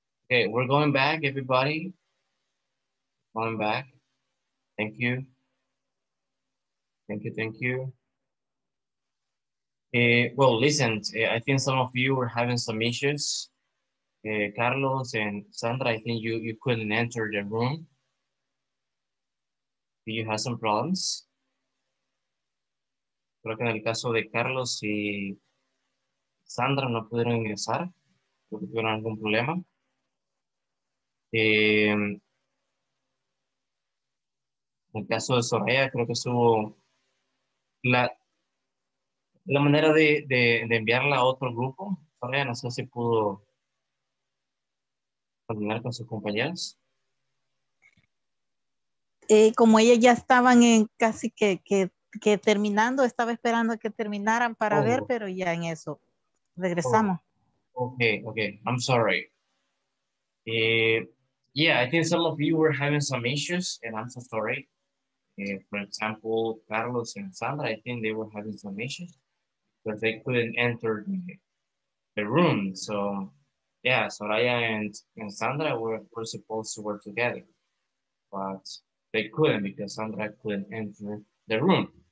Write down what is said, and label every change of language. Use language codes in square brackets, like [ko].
[en] Okay, we're going back, everybody. Going back. Thank you. Thank you, thank you. Well, listen, I think some of you were having some issues. Carlos and Sandra, I think you couldn't enter the room. Do you have some problems? [es] Creo que en el caso de Carlos y Sandra no pudieron ingresar porque tuvieron algún problema. En el caso de Soraya, creo que estuvo la manera de enviarla a otro grupo. Soraya, no sé si pudo terminar con sus compañeros. Como ellas ya estaban en casi que terminando, estaba esperando que terminaran para ver, pero ya en eso regresamos. [en] Okay, I'm sorry. Yeah, I think some of you were having some issues, and I'm so sorry. For example, Carlos and Sandra, I think they were having some issues, but they couldn't enter the room. So yeah, Soraya and Sandra were supposed to work together, but they couldn't because Sandra couldn't enter the room.